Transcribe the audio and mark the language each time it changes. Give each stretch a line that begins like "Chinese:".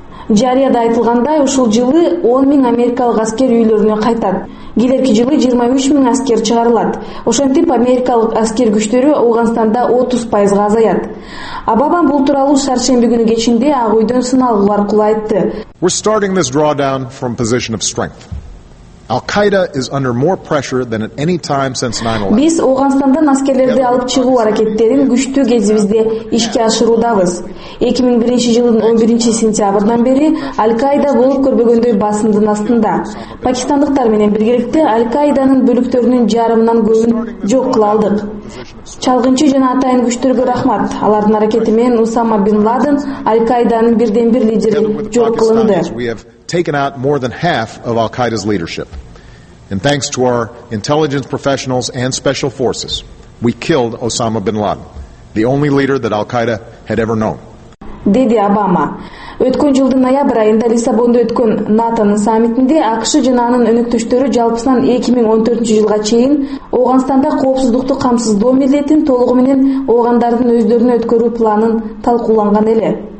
Kyrgyz: Жарыяда айтылгандай, ушул жылы 10 миң америкалык аскер үйлөрүнө кайтат. Келерки жылы 23 миң аскер чыгарылат. Ошентип, америкалык аскер күчтөрү Ооганстанда 30% азаят. Обама бул тууралуу шаршемби күнү кечинде Ак Үйдөн сыналгы аркылуу айтты.
English: We're starting this drawdown from position of strength. Al-Qaeda is under more pressure than at any time since 9/11.
Kyrgyz: Биз Ооганстандан аскерлерди алып чыгуу аракеттерин күчтүү кезибизде ишке ашыруудабыз. 2001 жылдын 11 сентябрынан бери Al-Qaeda болуп көрбөгөндөй басымдын астында. Пакистандыктар менен биргеликте Al-Qaeda'нын бөлүктөрүнүн жарымынан көбүн жок кыла алдык. Чалгынчы жана атайын күчтөргө рахмат. Алардын аракети менен Усама бин Ладен Al-Qaeda'нын бирден бир лидери жок кылынды.
English: Taken out more than half of Al-Qaeda's leadership. And thanks to our intelligence professionals and special forces, we killed Osama bin Laden, the only leader that Al-Qaeda had ever known.
Kyrgyz: Деди Обама. Өткөн жылдын ноябрь айында Лиссабондо өткөн НАТОнун саммитинде АКШ жана анын өнөктөштөрү жалпысынан 2014 жылга чейин Ооганстанда коопсуздукту камсыздоо милдетин толугу менен оогандардын өздөрүнө өткөрүү планын талкууланган эле.